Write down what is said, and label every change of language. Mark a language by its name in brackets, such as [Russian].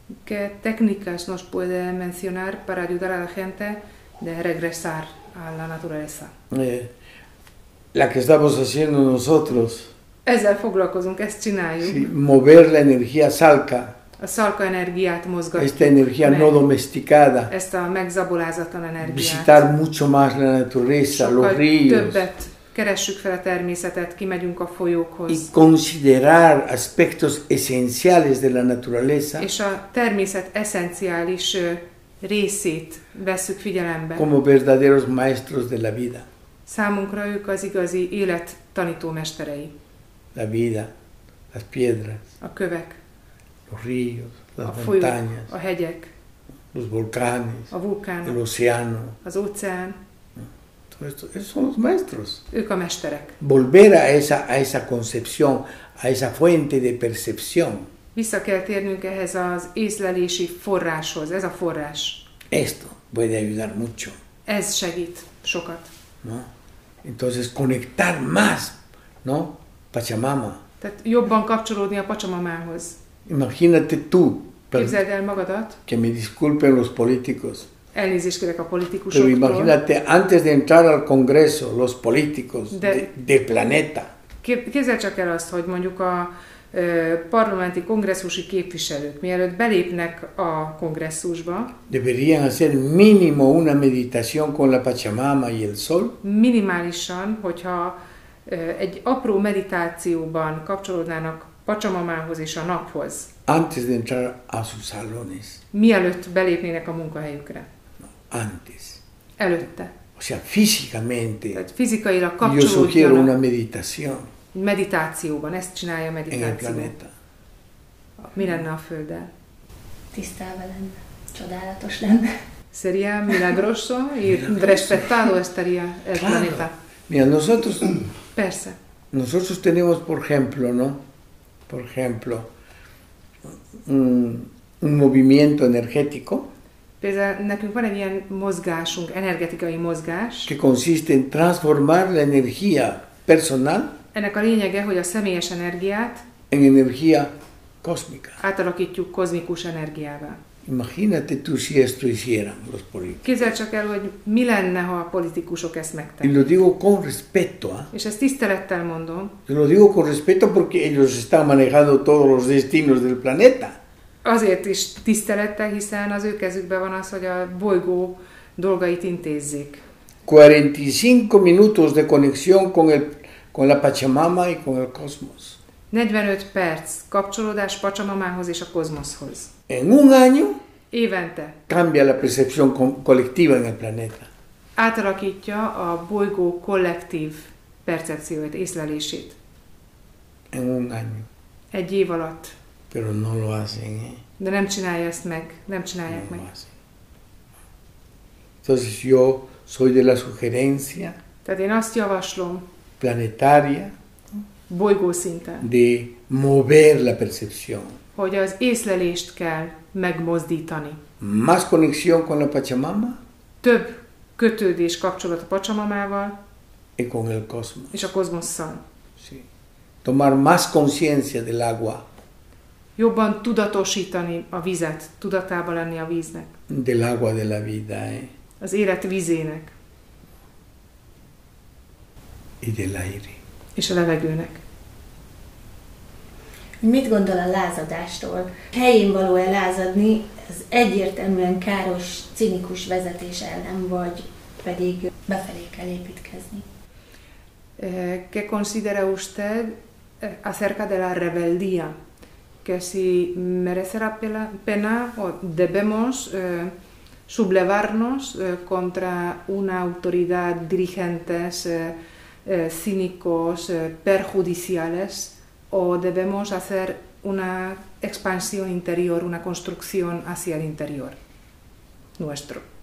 [Spanish] ¿Qué técnicas nos puede mencionar para ayudar a la gente de regresar a la naturaleza? La que estamos haciendo nosotros. [Hungarian] Ezzel foglalkozunk, ezt csináljuk. [Spanish] Sí, mover la energía salca. [Hungarian] A salca energiát mozgatjuk. [Spanish] Esta energía no domesticada. [Hungarian] Ezt a megzabolázatlan energiát. [Spanish] Visitar mucho más la naturaleza, los ríos. [Hungarian] Többet. Keressük fel a természetet, kimegyünk a folyókhoz. [Spanish] Y considerar aspectos esenciales de la naturaleza. [Hungarian] És a természet esenciális részét vesszük figyelembe. [Spanish] Como verdaderos maestros de la vida. [Hungarian] Számunkra ők az igazi élet tanítómesterei. [Spanish] La vida, las piedras. [Hungarian] A kövek. [Spanish] Los ríos, las montañas. [Hungarian] A hegyek. [Spanish] Los volcanes. [Hungarian] A vulkánok. [Spanish] El océano. [Hungarian] Az óceán. [Spanish] Esos son los maestros. [Hungarian] Ők a mesterek. [Spanish] Volver a esa concepción, a esa fuente de percepción. [Hungarian] Vissza kell térnünk ehhez az észlelési forráshoz, ez a forrás. [Spanish] Esto puede ayudar mucho. [Hungarian] Ez segít sokat. [Spanish] No? Entonces conectar más, no? Pachamama. [Hungarian] Tehát jobban kapcsolódni a Pachamamához. [Spanish] Imagínate tú. [Hungarian] Képzeld el magadat. [Spanish] Que me disculpen los políticos. [Hungarian] Elnézést kérek a politikusoktól. [Spanish] Pero imagínate, antes de entrar al Congreso, los políticos de planeta. [Hungarian] Képzel csak el azt, hogy mondjuk a parlamenti kongresszusi képviselők, mielőtt belépnek a kongresszusba, [Spanish] deberían hacer mínimo una meditación con la Pachamama y el Sol. [Hungarian] Minimálisan, hogyha egy apró meditációban kapcsolódnának Pachamamához és a naphoz. [Spanish] Antes de entrar a sus salones. [Hungarian] Mielőtt belépnének a munkahelyükre. [Spanish] Antes. [Hungarian] Előtte. [Spanish] O sea, físicamente. [Hungarian] Tehát fizikailag kapcsolódjanak. [Spanish] Yo sugiero una meditación. [Hungarian] Meditációban, ezt csinálja a meditáció. [Spanish] En el planeta. [Hungarian] Mi lenne a Földdel? Tisztelve lenne. Csodálatos lenne. [Spanish] Sería milagroso y respetado estaría el Planeta. Mira, nosotros... [Hungarian] Persze. [Spanish] Nosotros tenemos, por ejemplo, ¿no? Por ejemplo, un movimiento energético. [Hungarian] Például nekünk van egy ilyen mozgásunk, energetikai mozgás. [Spanish] Que consiste en transformar la energía personal. [Hungarian] Ennek a lényege, hogy a személyes energiát [Spanish] en energía cósmica. [Hungarian] Átalakítjuk kozmikus energiával. [Spanish] Imagínate tú si esto hicieran los políticos. [Hungarian] Képzeld csak el, hogy mi lenne, ha a politikusok ezt megtennék. [Spanish] Y lo digo con respeto, ¿eh? [Hungarian] És ezt tisztelettel mondom. [Spanish] Yo lo digo con respeto porque ellos están manejando todos los destinos del planeta. [Hungarian] Azért is tisztelettel, hiszen az ő kezükben van az, hogy a bolygó dolgait intézzék. [Spanish] 45 minutos de conexión con la Pachamama y con el cosmos. [Hungarian] 45 perc kapcsolódás Pachamamához és a kozmoszhoz. [Spanish] En un año, [Hungarian] évente, [Spanish] cambia la percepción colectiva en el planeta. [Hungarian] Átalakítja a bolygó kollektív percepcióját, észlelését. [Spanish] En un año. [Hungarian] Egy év alatt. [Spanish] Pero no lo hacen, ¿eh? [Hungarian] De nem csinálja ezt meg, nem csinálják no meg. [Spanish] Entonces yo soy de la sugerencia. [Hungarian] Tehát én azt javaslom. [Spanish] Planetaria. [Hungarian] Bolygó szinten. [Spanish] De mover la percepción. [Hungarian] Hogy az észlelést kell megmozdítani. [Spanish] Más conexión con la Pachamama. [Hungarian] Több kötődés kapcsolat a Pachamamával. [Spanish] Y con el cosmos. [Hungarian] És a kozmosszal. [Spanish] Sí. Tomar más conciencia del agua. [Hungarian] Jobban tudatosítani a vizet, tudatába lenni a víznek. [Spanish] Del agua de la vida, eh? [Hungarian] Az élet vizének. [Spanish] Y del aire. [Hungarian] És a levegőnek. Mit gondol a lázadástól? Helyén való-e lázadni az egyértelműen káros, cinikus vezetés ellen, vagy pedig befelé kell építkezni? [Spanish] ¿Qué considera usted acerca de la rebeldía? Que si merece la pena o debemos sublevarnos contra una autoridad dirigentes cínicos, perjudiciales, o debemos hacer una expansión interior, una construcción hacia el interior nuestro?